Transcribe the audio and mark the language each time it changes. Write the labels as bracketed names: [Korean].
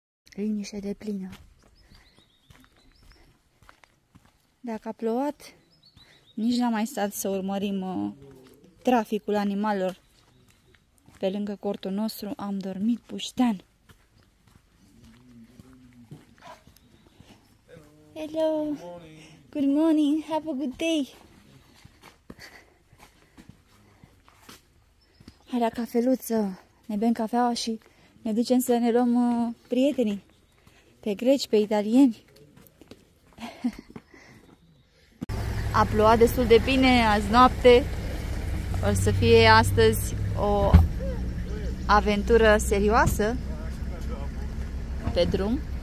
[Romanian] Liniște de plină. Dacă a plouat, nici n-am mai stat să urmărim traficul animalelor. Pe lângă cortul nostru am dormit puștean. [English] Hello, good morning, have a good day. [Romanian] Hai la cafeluță, ne bem cafeaua și ne ducem să ne luăm prietenii, pe greci, pe italieni. A plouat destul de bine azi noapte, o să fie astăzi o aventură serioasă pe drum.